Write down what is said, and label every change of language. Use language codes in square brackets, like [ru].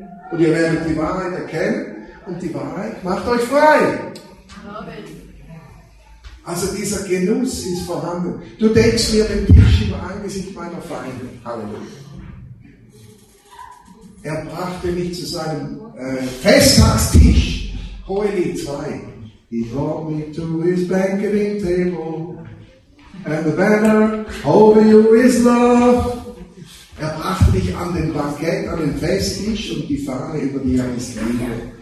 [de] Und ihr werdet die Wahrheit erkennen und die Wahrheit macht euch frei. Also dieser Genuss ist vorhanden. Du deckst mir den Tisch im Angesicht meiner Feinde. Halleluja. Er brachte mich zu seinem Festtagstisch. Hohelied 2. [en] He brought me to his banqueting table. And the banner over you is love. [de] Er brachte mich an den Bankett, an den Festtisch und die Fahne über die er ist Liebe.